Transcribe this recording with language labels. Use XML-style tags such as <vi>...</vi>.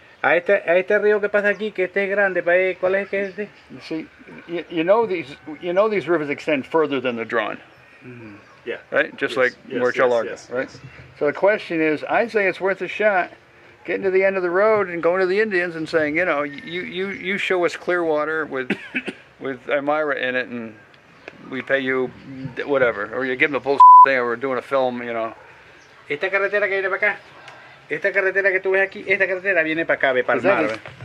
<es>A este río que pasa aquí, que este es grande, ¿cuál es que es este?</es> <en>See, you know these rivers extend further than the Drone. Mm-hmm. Yeah. Right? Just like Muerto Largo. Yes, right? Yes. So the question is, I say it's worth a shot getting to the end of the road and going to the Indians and saying, you know, you show us clear water with with Amira in it, and we pay you whatever. Or you give them the bullshit thing, or we're doing a film, you know.</en> <es>Esta carretera que viene para acá, esta carretera que tú ves aquí, esta carretera viene para acá, ve para el mar.</es>